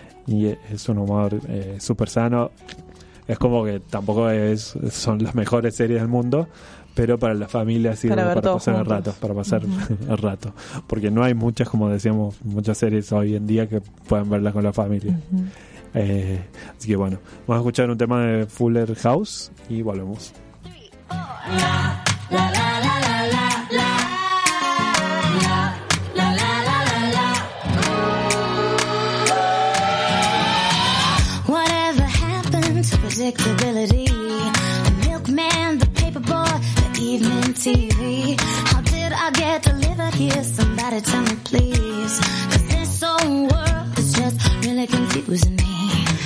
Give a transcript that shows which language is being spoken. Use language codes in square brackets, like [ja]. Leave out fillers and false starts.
[es] Y es un humor súper sano. Es como que tampoco son las mejores series del mundo, pero para la familia sí, para pasar uh-huh. el rato. Porque no hay muchas, como decíamos, muchas series hoy en día que puedan verlas con la familia. Uh-huh. Así que bueno, vamos a escuchar un tema de Fuller House y volvemos. La la la la la la la la la la la la. [en] Whatever happened to predictability? The milkman, the paper boy, the evening TV. How did I get delivered here? Somebody tell me please. 'Cause this old world is just really confusing me.